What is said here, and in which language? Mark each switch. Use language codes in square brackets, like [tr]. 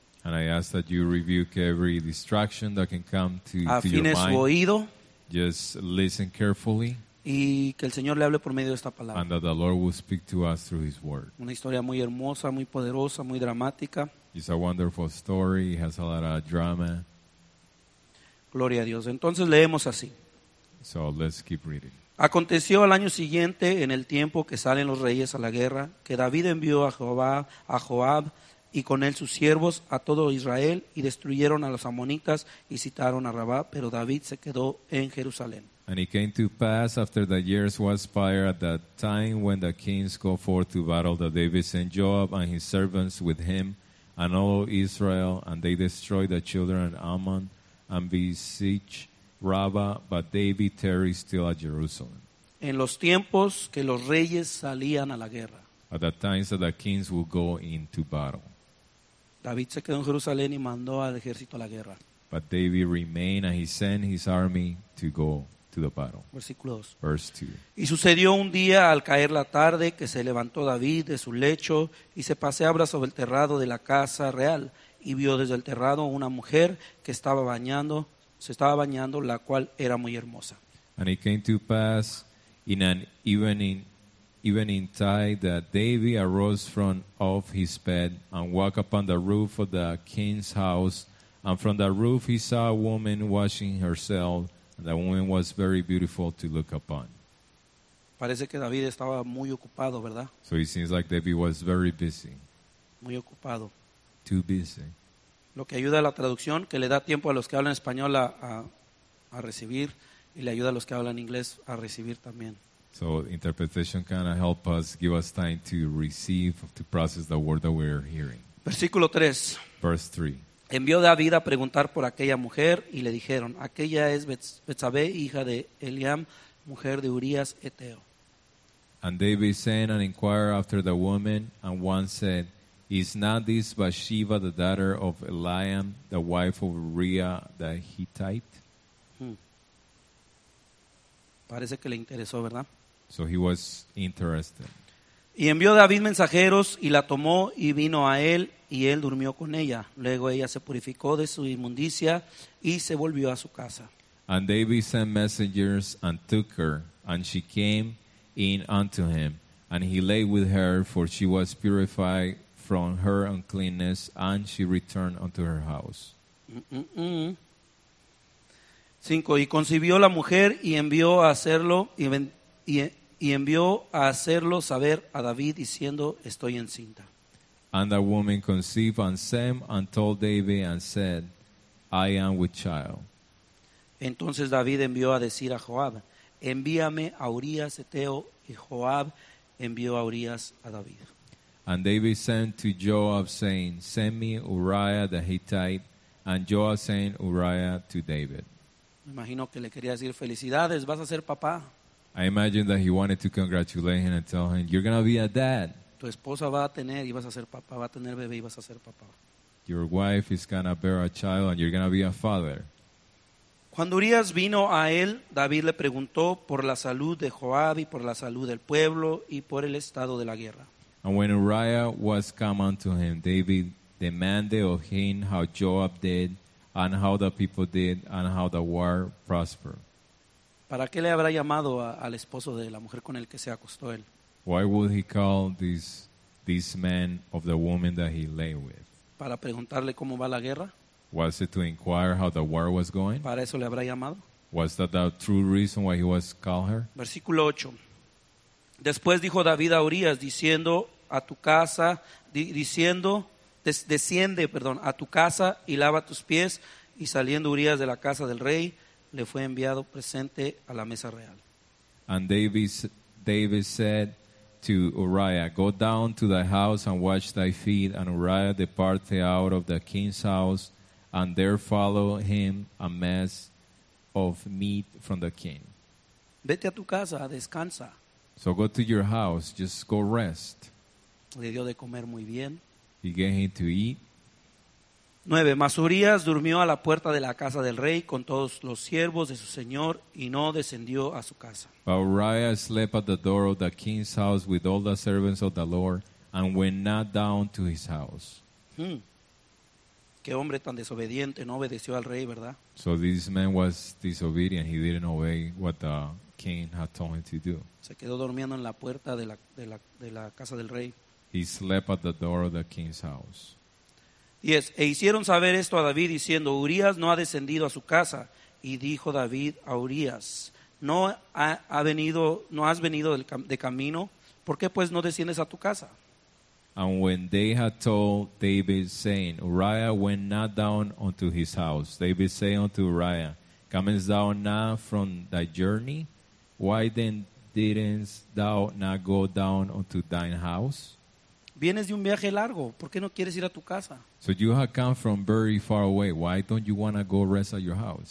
[en] And I ask that you rebuke every distraction that can come to your mind. [es] Afine su oído. [en] Just listen carefully. [es] Y que el Señor le hable por medio de esta palabra. [en] And that the Lord will speak to us through His word. [es] Una historia muy hermosa, muy poderosa, muy dramática. [en] It's a wonderful story. It has a lot of drama. [es] Gloria a Dios. Entonces leemos así. [en] So let's keep reading. [es] Aconteció al año siguiente, en el tiempo que salen los reyes a la guerra, que David envió a Joab y con él sus siervos a todo Israel y destruyeron a los amonitas y sitiaron a Rabá, pero David se quedó en Jerusalén. [en] And it came to pass after the years was expired, at that time when the kings go forth to battle, that David sent Joab and his servants with him and all Israel, and they destroyed the children of Ammon and besieged Rabbah, but David tarried still at Jerusalem. [es] En los tiempos que los reyes salían a la guerra. [en] At the times that the kings would go into battle. [es] David se quedó en Jerusalén y mandó al ejército a la guerra. [en] But David remained and he sent his army to go to the battle. [es] Versículo 2. [en] Verse 2. [es] Y sucedió un día al caer la tarde que se levantó David de su lecho y se paseaba sobre el terrado de la casa real y vio desde el terrado una mujer que estaba bañando. Se estaba bañando, la cual era muy hermosa. [en] And it came to pass in an evening tide that David arose from off his bed and walked upon the roof of the king's house. And from the roof he saw a woman washing herself. And the woman was very beautiful to look upon. [es] Parece que David estaba muy ocupado, ¿verdad? [en] So it seems like David was very busy. [es] Muy ocupado. [en] Too busy. [es] Lo que ayuda a la traducción, que le da tiempo a los que hablan español a recibir y le ayuda a los que hablan inglés a recibir también. [en] So interpretation kind of help us, give us time to receive, to process the word that we're hearing. [es] Versículo 3. [en] Verse 3. [es] Envió David a preguntar por aquella mujer y le dijeron, aquella es Betsabé, hija de Eliam, mujer de Urías, Eteo. [en] And David sent and inquired after the woman, and one said, is not this Bathsheba, the daughter of Eliam, the wife of Uriah the Hittite? [es] Parece que le interesó, ¿verdad? [en] So he was interested. [es] Y envió David mensajeros y la tomó y vino a él y él durmió con ella. Luego ella se purificó de su inmundicia y se volvió a su casa. [en] And David sent messengers and took her, and she came in unto him, and he lay with her, for she was purified from her uncleanness, and she returned unto her house. [es] 5. Y concibió la mujer y envió a hacerlo y envió a hacerlo saber a David diciendo, estoy encinta. [en] And the woman conceived and Sem and told David and said, I am with child. [es] Entonces David envió a decir a Joab, envíame a Urías heteo, y Joab envió a Urías a David. [en] And David sent to Joab saying, send me Uriah the Hittite, and Joab sent Uriah to David. [es] Me imagino que le quería decir felicidades, vas a ser papá. [en] I imagine that he wanted to congratulate him and tell him, you're going to be a dad. [es] Tu esposa va a tener y vas a ser papá, va a tener bebé y vas a ser papá. [en] Your wife is going to bear a child and you're going to be a father. [es] Cuando Urías vino a él, David le preguntó por la salud de Joab y por la salud del pueblo y por el estado de la guerra. [en] And when Uriah was come unto him, David demanded of him how Joab did and how the people did and how the war prospered. [es] ¿Para qué le habrá llamado al esposo de la mujer con el que se acostó él? [en] Why would he call this man of the woman that he lay with? [es] ¿Para preguntarle cómo va la guerra? [en] Was it to inquire how the war was going? [es] ¿Para eso le habrá llamado? [en] Was that the true reason why he was calling her? [es] Versículo 8. Después dijo David a Urías, diciendo a tu casa, desciende, a tu casa y lava tus pies. Y saliendo Urías de la casa del rey, le fue enviado presente a la mesa real. [en] And David said to Uriah, go down to thy house and wash thy feet. And Uriah departed out of the king's house. And there followed him a mess of meat from the king. [es] Vete a tu casa, descansa. [en] So go to your house, just go rest. [es] Le dio de comer muy bien. [en] He gave him to eat. [es] 9. Mas Urías durmió a la puerta de la casa del rey con todos los siervos de su señor y no descendió a su casa. [en] But Uriah slept at the door of the king's house with all the servants of the Lord and went not down to his house. [es] Qué hombre tan desobediente, no obedeció al rey, ¿verdad? [en] So this man was disobedient. He didn't obey what the king had told him to do. [es] Se quedó durmiendo en la puerta de la casa del rey. [en] He slept at the door of the king's house. [es] 10. E hicieron saber esto a David diciendo, Urías no ha descendido a su casa. Y dijo David a Urías, ¿No has venido de camino? ¿Por qué pues no desciendes a tu casa? [en] And when they had told David, saying, Uriah went not down unto his house, David said unto Uriah, comest thou now from thy journey? Why then didst thou not go down unto thine house? [es] Vienes de un viaje largo, ¿por qué no quieres ir a tu casa? [en] So you have come from very far away, why don't you want to go rest at your house?